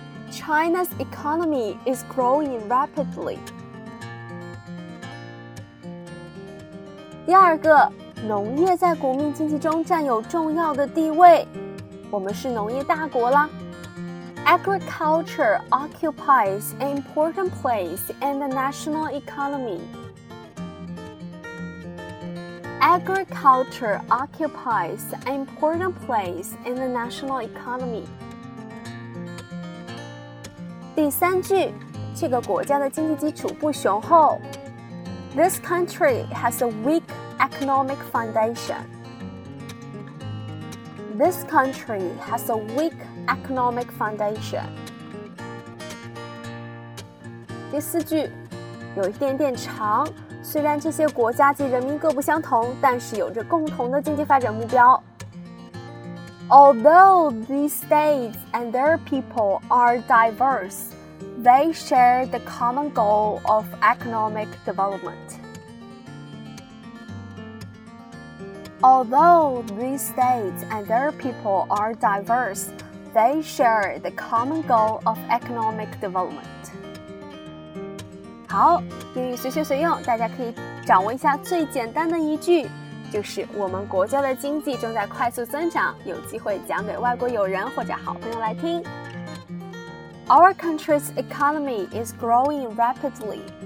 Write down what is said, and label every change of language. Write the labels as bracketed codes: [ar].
[en] China's economy is growing rapidly. [zh] 第二个，农业在国民经济中占有重要的地位，我们是农业大国啦。 [en] Agriculture occupies an important place in the national economy. Agriculture occupies an important place in the national economy. [zh] 第三句，这个国家的经济基础不雄厚。 [en] This country has a weak economic foundation. This country has a weak economic foundation. [zh] 第四句，有一点点长。虽然这些国家及人民各不相同，但是有着共同的经济发展目标。 [en] Although these states and their people are diverse, they share the common goal of economic development. Although these states and their people are diverse,They share the common goal of economic development. [zh] 好，英语随学随用，大家可以掌握一下最简单的一句，就是我们国家的经济正在快速增长，有机会讲给外国友人或者好朋友来听。 [en] Our country's economy is growing rapidly.